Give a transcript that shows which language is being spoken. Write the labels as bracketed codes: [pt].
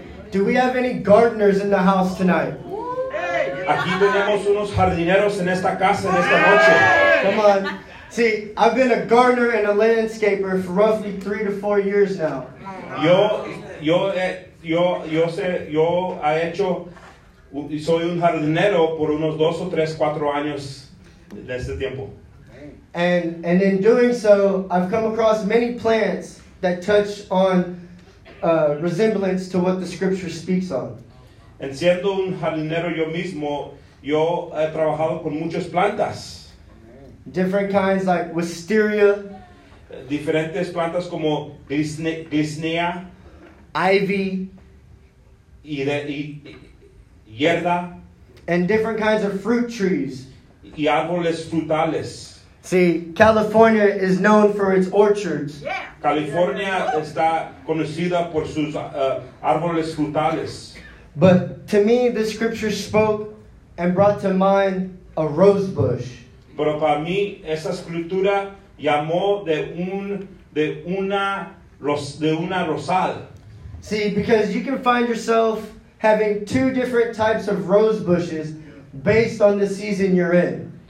[en] Do we have any gardeners in the house tonight? [es] Aquí tenemos unos jardineros en esta casa en esta noche. [en] Come on. See, I've been a gardener and a landscaper for roughly 3 to 4 years now. [es] Yo he hecho, soy un jardinero por unos 2 o 3, 4 años de este tiempo. [en] And in doing so, I've come across many plants that touch on resemblance to what the scripture speaks on. [es] En siendo un jardinero yo mismo, yo he trabajado con muchas plantas. [en] Different kinds like wisteria. [es] Diferentes plantas como glisnea. [en] Ivy. [es] Y hierba. [en] And different kinds of fruit trees. [es] Y árboles frutales. [en] See, California is known for its orchards. Yeah. [es] California está conocida por sus árboles frutales. [en] But to me, the scripture spoke and brought to mind a rose bush. [es] Pero para mí, esa escritura llamó de una rosal. [en] See, because you can find yourself having 2 different types of rose bushes based on the season you're in.